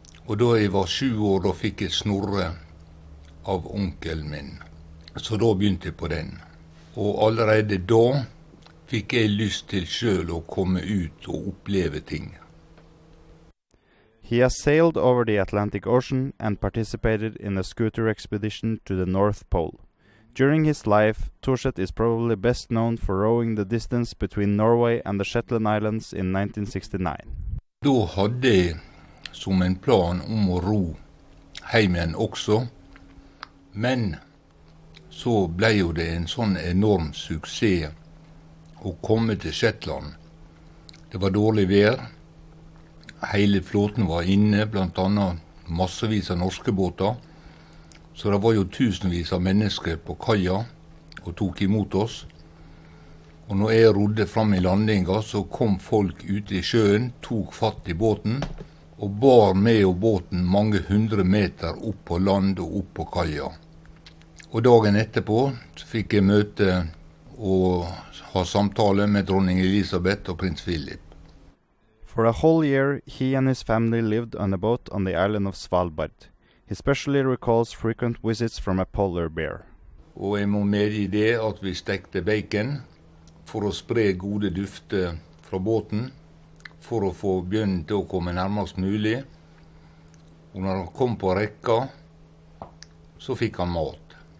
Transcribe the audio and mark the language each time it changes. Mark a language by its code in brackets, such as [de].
[no] Og da jeg var 7 år, da fikk jeg Snorre av onkelen min. Så da begynte jeg på den. Og allerede da fikk jeg lyst til selv å komme ut og oppleve ting. [en] He has sailed over the Atlantic Ocean and participated in a scooter expedition to the North Pole. During his life, Thorseth is probably best known for rowing the distance between Norway and the Shetland Islands in 1969. [no] Da hadde jeg som en plan om å ro hjem igjen også, men så ble jo det en sånn enorm suksess å komme til Shetland. Det var dårlig vær, hele flåten var inne, blant annet massevis av norske båter. Så det var jo tusenvis av mennesker på kaja og tok imot oss. Og når jeg rodde fram i landinga, så kom folk ut i sjøen, tok fatt i båten og bar med og båten mange hundre meter opp på land og opp på kaja. Og dagen etterpå fikk jeg møte og ha samtale med dronning Elisabeth og prins Philip. [en] For a whole year, he and his family lived on a boat on the island of Svalbard. He especially recalls frequent visits from a polar bear. [no] Og jeg må medgi det at vi stekte bacon for å spre gode dufter fra båten, for å få bjørnen til å komme nærmest mulig. Og når han kom på rekka, så fikk han mat.